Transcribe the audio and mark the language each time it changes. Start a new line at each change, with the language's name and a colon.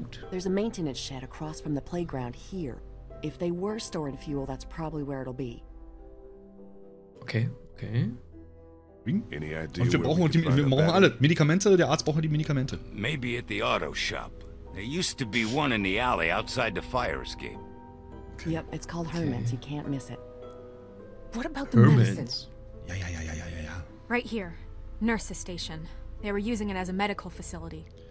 English: There's a maintenance shed across from the playground here. If they were storing fuel, that's probably where it'll be. Okay, okay.
German: Und wir brauchen alle Medikamente, der Arzt braucht die Medikamente.
English: Maybe at the auto shop. There used to be one in the alley outside the fire escape. Okay. Yep, it's called Herman's, okay. You can't miss it. What about the medicine?
German: Ja.
English: Right here. Nurses Station. They were using it as a medical facility.